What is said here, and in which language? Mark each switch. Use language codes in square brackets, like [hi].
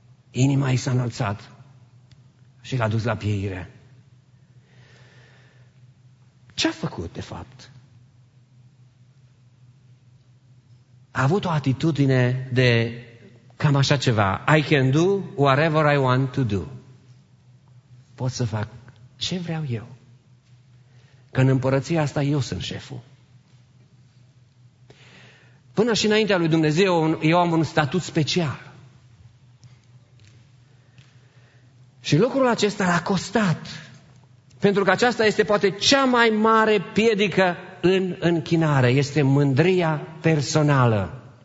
[ro] Inima i s-a înălțat și l-a dus la pieire. Ce a făcut, de fapt? A avut o atitudine de cam așa ceva. [en] I can do whatever I want to do. [ro] Pot să fac ce vreau eu. Că în împărăția asta eu sunt șeful. Până și înaintea lui Dumnezeu, eu am un statut special. Și lucrul acesta l-a costat. Pentru că aceasta este poate cea mai mare piedică în închinare, este mândria personală.